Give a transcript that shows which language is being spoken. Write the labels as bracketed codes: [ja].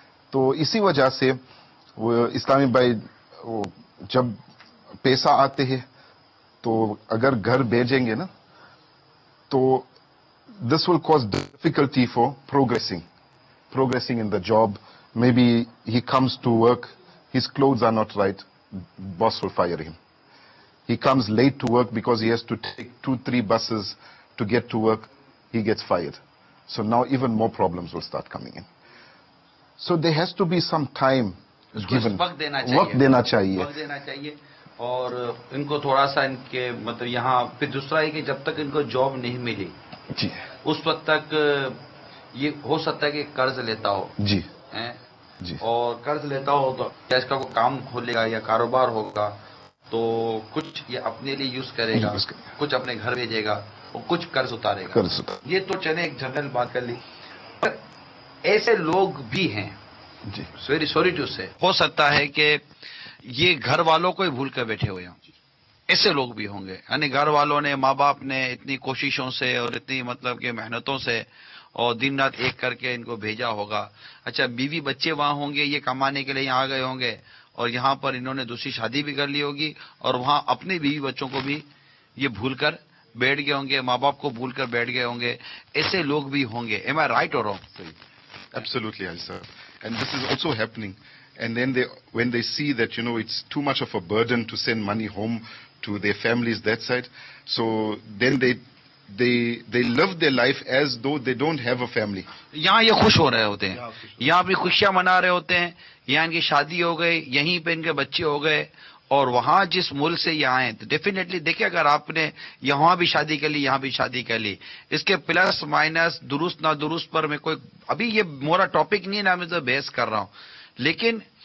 [ur] تو اسی وجہ سے وہ اسلامی بھائی جب پیسہ آتے ہیں تو اگر گھر بھیجیں گے نا تو [en] This will cause difficulty for progressing in the job. Maybe he comes to work his clothes are not right, boss will fire him. He comes late to work because he has to take two three buses to get to work, he gets fired. So now even more problems will start coming in. So they has to be some time given, [ur] وقت دینا چاہیے اور ان کو تھوڑا سا ان کے مطلب یہاں. پھر دوسرا یہ کہ جب تک ان کو جاب نہیں ملی جی اس وقت تک یہ ہو سکتا ہے کہ قرض لیتا ہو جی, اور قرض لیتا ہو تو کیا اس کا کوئی کام کھولے گا یا کاروبار ہوگا تو کچھ یہ اپنے لیے یوز کرے گا, کچھ اپنے گھر بھیجے گا اور کچھ قرض اتارے گا. یہ تو چلے ایک جنرل بات کر لی, پر ایسے لوگ بھی ہیں جی [en] very sorry to say, [ur] ہو سکتا ہے کہ یہ گھر والوں کو ہی بھول کر بیٹھے ہوئے ہوں. ایسے لوگ بھی ہوں گے یعنی گھر والوں نے ماں باپ نے اتنی کوششوں سے اور اتنی مطلب کہ محنتوں سے اور دن رات ایک کر کے ان کو بھیجا ہوگا. اچھا بیوی بچے وہاں ہوں گے یہ کمانے کے لیے یہاں آ گئے ہوں گے اور یہاں پر انہوں نے دوسری شادی بھی کر لی ہوگی اور وہاں اپنے بیوی بچوں کو بھی یہ بھول کر بیٹھ گئے ہوں گے, ماں باپ کو بھول کر بیٹھ گئے ہوں گے. ایسے لوگ بھی ہوں گے, [en] Am I right اور wrong? Absolutely sir. And this is also happening. And then they when they see that you know it's too much of a burden to send money home to their families that side, so then they live their life as though they don't have a family. [ur] یہاں یہ خوش ہو رہے ہوتے ہیں, یہاں اپنی خوشیاں منا رہے ہوتے ہیں, یہاں ان کی شادی ہو گئی, یہیں پہ ان کے بچے ہو گئے, اور وہاں جس ملک سے یہ آئے تو ڈیفینیٹلی دیکھیں اگر آپ نے یہاں بھی شادی کر لی یہاں بھی شادی کر لی, اس کے پلس مائنس درست نہ درست پر میں کوئی ابھی یہ میرا ٹاپک نہیں ہے نا, میں تو بحث کر رہا ہوں, لیکن